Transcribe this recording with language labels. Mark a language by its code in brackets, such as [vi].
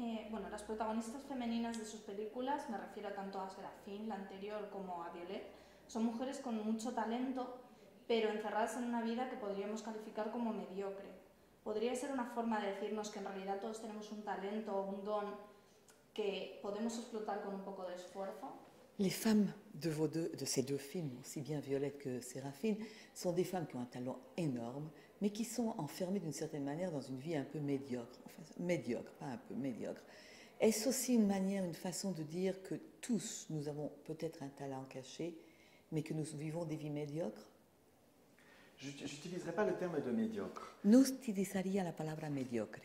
[es] Bueno, las protagonistas femeninas de sus películas, me refiero tanto a Serafín, la anterior, como a Violette, son mujeres con mucho talento, pero encerradas en una vida que podríamos calificar como mediocre. ¿Podría ser una forma de decirnos que en realidad todos tenemos un talento o un don que podemos explotar con un poco de esfuerzo? [fr] Les femmes de, vos deux, de ces deux films, aussi bien Violette que Séraphine, sont des femmes qui ont un talent énorme, mais qui sont enfermées d'une certaine manière dans une vie un peu médiocre. Enfin, médiocre, pas un peu médiocre. Est-ce aussi une manière, une façon de dire que tous nous avons peut-être un talent caché, mais que nous vivons des vies médiocres? J'utiliserai pas le terme de médiocre. [es] No utilizaría la palabra mediocre.